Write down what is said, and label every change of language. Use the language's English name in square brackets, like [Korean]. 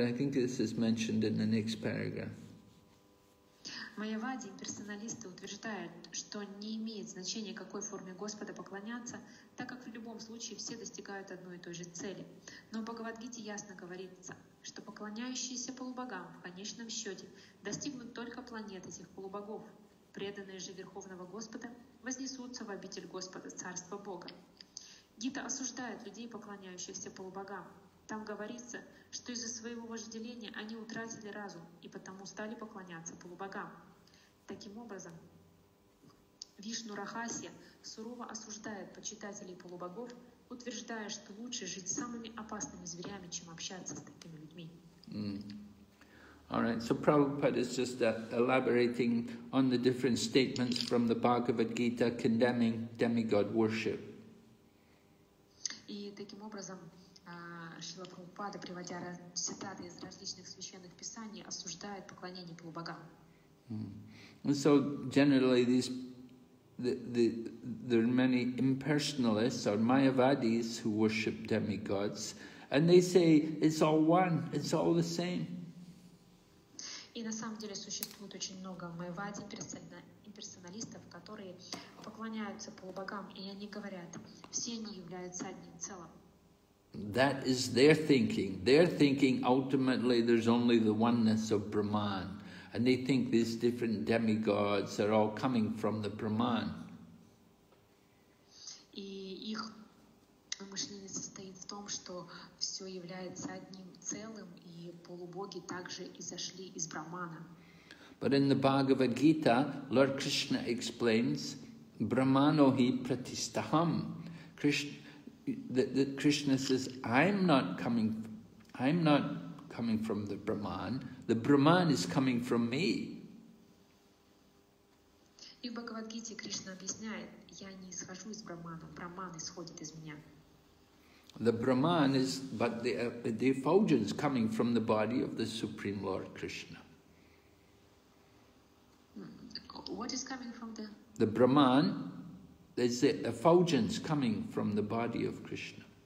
[English] I think this is mentioned in the next paragraph. [Russian] Майявади и персоналисты утверждают, что не имеет значения, какой форме Господа поклоняться, так как в любом случае все достигают одной и той же цели. Но в Бхагавад-гите ясно говорится, что поклоняющиеся полубогам в конечном счете достигнут только планет этих полубогов. Преданные же Верховного Господа вознесутся в обитель Господа, Царство Бога. Гита осуждает людей, поклоняющихся полубогам. Там говорится, что из-за своего вожделения они утратили разум и потому стали поклоняться полубогам. Таким образом, Вишну Рахасья сурово осуждает почитателей полубогов, утверждая, что лучше жить с самыми опасными зверями, чем общаться с такими людьми. [English] All right, so Prabhupada is just elaborating on the different statements from the Bhagavad Gita condemning demigod worship. [Russian] И таким образом Шрила Прабхупада, приводя цитаты из различных священных писаний, осуждает поклонение полубогам. [English] And so generally these there are many impersonalists or Mayavadis who worship demigods, and they say it's all one, it's all the same. [Russian] И на самом деле существует очень много Майявади, имперсоналистов, которые поклоняются полубогам, и они говорят, все они являются одним целым. [English] That is their thinking. They're thinking ultimately there's only the oneness of Brahman. And they think these different demigods are all coming from the Brahman. [Russian] и их мышление состоит в том, что все является одним целым, и полубоги также изошли из Брахмана. [English] But in the Bhagavad Gita, Lord Krishna explains [Sanskrit] Brahmanohi Pratistaham. [English] Krishna says, I'm not coming from the Brahman. The Brahman is coming from me. [Russian] И в Бхагавад Гите Кришна объясняет, я не исхожу из Брахмана, Брахман исходит из меня. [English] The Brahman is, but the effulgence coming from the body of the Supreme Lord Krishna. What is coming from the? The Brahman, there's the effulgence coming from the body of Krishna.